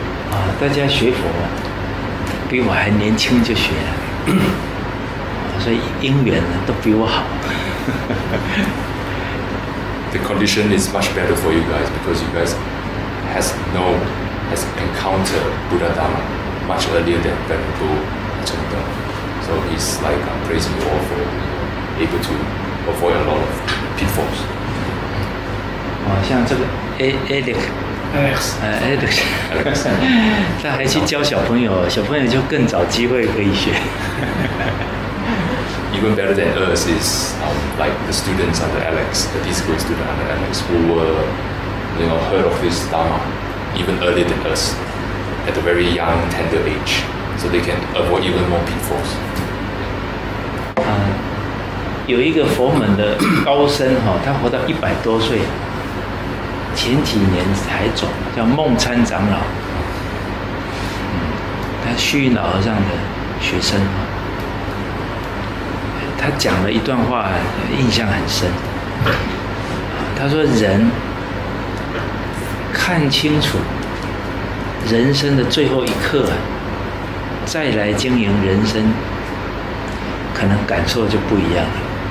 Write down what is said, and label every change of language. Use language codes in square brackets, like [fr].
[zh] 啊，大家学佛啊，比我还年轻就学了，所以因缘呢都比我好。 [en] The condition is much better for you guys because you guys has encountered Buddha Dharma much earlier than Venerable Chanda. So he's like I'm praising you all for able to. Avoid a lot of pitfalls. [zh] 哦，像这个 Alex， Alex，他还去教小朋友，小朋友就更早机会可以学。 [en] Even better than us is like the students under Alex, the disciple student under Alex, who were, you know, heard of this Dharma even earlier than us, at a very young, tender age, so they can avoid even more pitfalls. [zh] 有一个佛门的高僧，他活到100多岁，前几年才走，叫孟参长老，他虚云老和尚的学生，他讲了一段话印象很深，他说人看清楚人生的最后一刻，再来经营人生可能感受就不一样了。